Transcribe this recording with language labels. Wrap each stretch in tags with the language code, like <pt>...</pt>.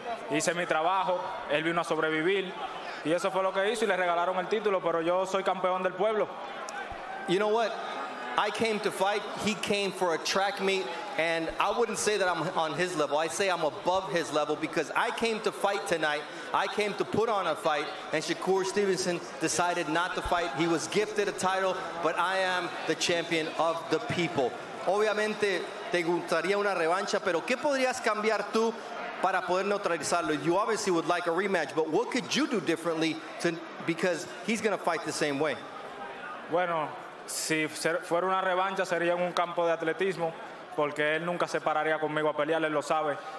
<es>Hice mi trabajo, él vino a sobrevivir y eso fue lo que hizo y le regalaron el título, pero yo soy campeón del pueblo.</es> <en>You know what? I came to fight, he came for a track meet, and I wouldn't say that I'm on his level. I say I'm above his level because I came to fight tonight. I came to put on a fight, and Shakur Stevenson decided not to fight. He was gifted a title, but I am the champion of the people.</en> <es>Obviamente, te gustaría una revancha, pero ¿qué podrías cambiar tú para poder neutralizarlo?</es> <en>You obviously would like a rematch, but what could you do differently to, because he's going to fight the same way?</en> <es>Bueno, si fuera una revancha, sería en un campo de atletismo, porque él nunca se pararía conmigo a pelear, él lo sabe.</es>